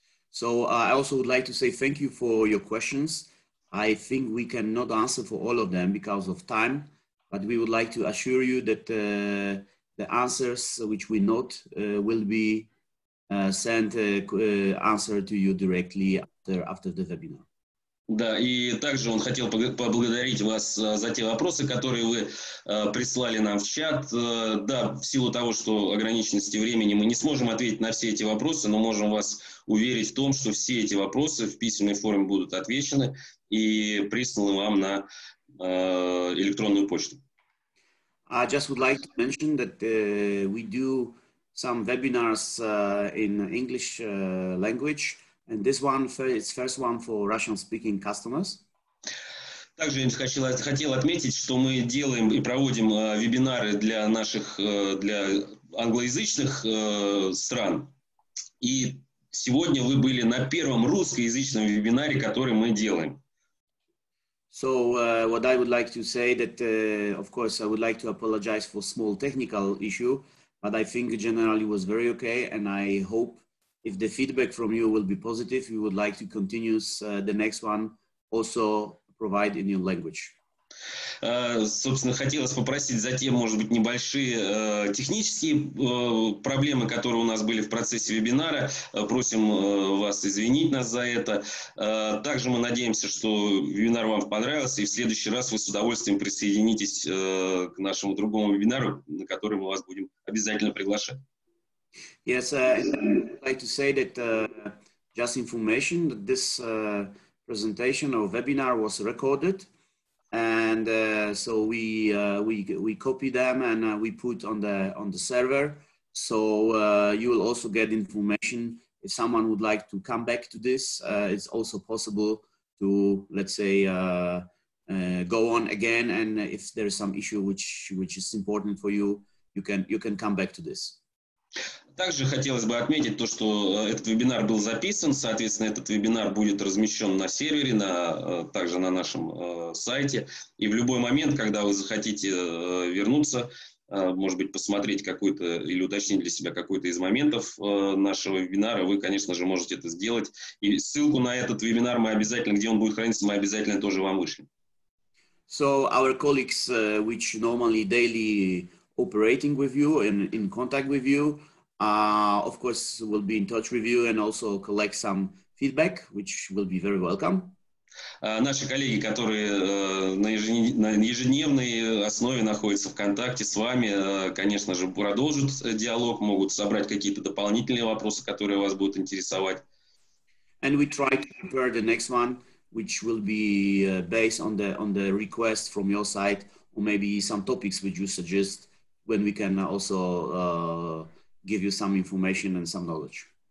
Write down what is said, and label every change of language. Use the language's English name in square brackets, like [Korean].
[English] So I also would like to say thank you for your questions. I think we cannot answer for all of them because of time, but we would like to assure you that the answers which we note will be send answer to you directly after the webinar. [Russian] Да, и также он хотел поблагодарить вас за те вопросы, которые вы прислали нам в чат. Да, в силу того, что ограниченности времени, мы не сможем ответить на все эти вопросы, но можем вас уверить в том, что все эти вопросы в письменной форме будут отвечены и присланы вам на электронную почту. [English] I just would like to mention that we do some webinars in English language, and this one is first one for Russian-speaking customers. [Russian] Также я хотел отметить, что мы делаем и проводим вебинары для наших для англоязычных стран. И сегодня вы были на первом русскоязычном вебинаре, который мы делаем. [English] So what I would like to say that, of course, I would like to apologize for small technical issue. But I think generally it was very okay, and I hope if the feedback from you will be positive, we would like to continue the next one also provide in your language. [Russian] Собственно, хотелось попросить затем, может быть, небольшие технические проблемы, которые у нас были в процессе вебинара. Просим вас извинить нас за это. Также мы надеемся, что вебинар вам понравился, и в следующий раз вы с удовольствием присоединитесь к нашему другому вебинару, на который мы вас будем обязательно приглашать. [English] Yes, I'd like to say that just information that this presentation or webinar was recorded. And so we copy them and we put on the server. So you will also get information if someone would like to come back to this. It's also possible to let's say go on again, and if there is some issue which is important for you, you can come back to this. [Russian] Также хотелось бы отметить то, что этот вебинар был записан, соответственно, этот вебинар будет размещен на сервере, также на нашем сайте, и в любой момент, когда вы захотите вернуться, может быть, посмотреть какой-то или уточнить для себя какой-то из моментов нашего вебинара, вы, конечно же, можете это сделать, и ссылку на этот вебинар мы обязательно, где он будет храниться, мы обязательно тоже вам вышлем. [English] So our colleagues, which normally daily operating with you and in contact with you, of course, will be in touch with you and also collect some feedback, which will be very welcome. [Russian] Наши коллеги, которые на ежедневной основе находятся в контакте с вами, конечно же, продолжат диалог, могут собрать какие-то дополнительные вопросы, которые вас будут интересовать. [English] And we try to prepare the next one, which will be based on the request from your side, or maybe some topics which you suggest, when we can also give you some information and some knowledge.